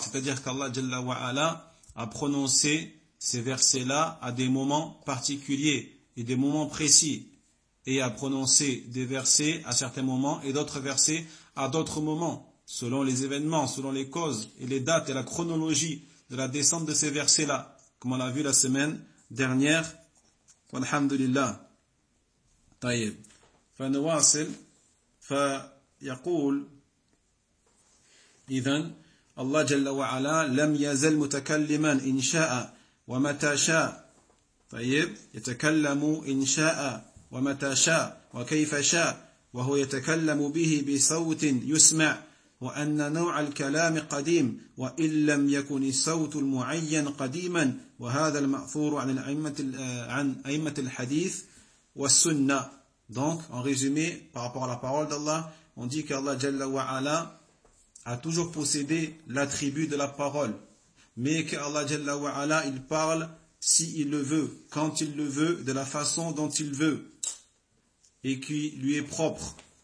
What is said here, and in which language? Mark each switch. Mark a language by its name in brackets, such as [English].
[French] C'est-à-dire qu'Allah Jalla wa Ala a prononcé ces versets-là à des moments particuliers et des moments précis, et a prononcé des versets à certains moments et d'autres versets à d'autres moments, selon les événements, selon les causes et les dates et la chronologie de la descente de ces versets-là, comme on l'a vu la semaine dernière. [Arabic] Alhamdulillah. طيب فنواصل فيقول إذن الله جل وعلا لم يزل متكلما إن شاء ومتى شاء طيب يتكلم إن شاء ومتى شاء وكيف شاء وهو يتكلم به بصوت يسمع وأن نوع الكلام قديم وإن لم يكن الصوت المعين قديما وهذا المأثور عن أئمة الحديث والسنة. [French] Donc, en résumé, par rapport à la parole d'Allah, on dit qu'Allah Jalla wa Ala a toujours possédé l'attribut de la parole, mais qu'Allah Jalla wa Ala, il parle s'il le veut, quand il le veut, de la façon dont il veut, et qui lui est propre.